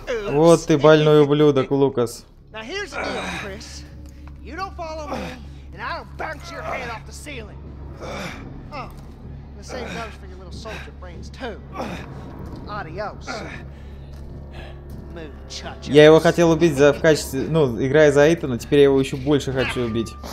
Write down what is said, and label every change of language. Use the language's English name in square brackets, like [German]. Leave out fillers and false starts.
[Russian] Вот ты больной ублюдок, Лукас. [English] Now here's the deal, Chris. You don't follow me, and I don't bounce your head off the ceiling. Oh, the same goes for your little soldier brains too. Adios. [Russian] Я его хотел убить за, в качестве, ну, играя за Итана, теперь я его еще больше хочу убить.